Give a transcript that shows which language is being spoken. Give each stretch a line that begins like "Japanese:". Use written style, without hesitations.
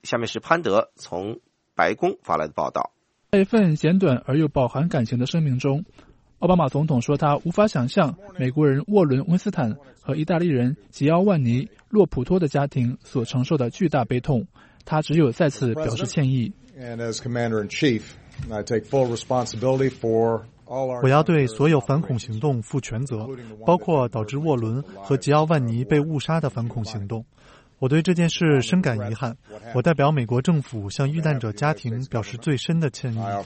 Chinese: 下面是潘德从白宫发来的报道。在一份简短而又饱含感情的声明中，奥巴马总统说，他无法想象美国人沃伦·温斯坦和意大利人吉奥万尼·洛普托的家庭所承受的巨大悲痛，他只有再次表示歉意。
English: And as Commander-in-Chief, I take full responsibility for
Chinese: 我要对所有反恐行动负全责，包括导致沃伦和吉奥万尼被误杀的反恐行动。我对这件事深感遗憾，我代表美国政府向遇难者家庭表示最深的歉意。